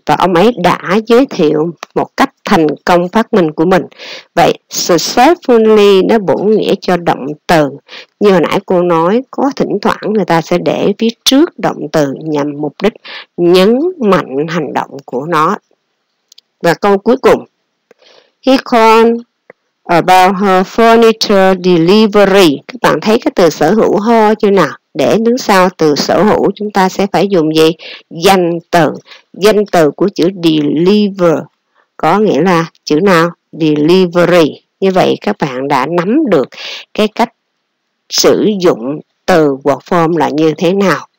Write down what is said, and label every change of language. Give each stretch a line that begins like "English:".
Vietnamese: Và ông ấy đã giới thiệu một cách thành công phát minh của mình. Vậy successfully nó bổ nghĩa cho động từ. Như hồi nãy cô nói, có thỉnh thoảng người ta sẽ để phía trước động từ nhằm mục đích nhấn mạnh hành động của nó. Và câu cuối cùng,
English: he called about her furniture delivery.
Vietnamese: Các bạn thấy cái từ sở hữu ho chưa nào? Để đứng sau từ sở hữu chúng ta sẽ phải dùng gì? Danh từ. Danh từ của chữ deliver có nghĩa là chữ nào? Delivery. Như vậy các bạn đã nắm được cái cách sử dụng từ word form là như thế nào.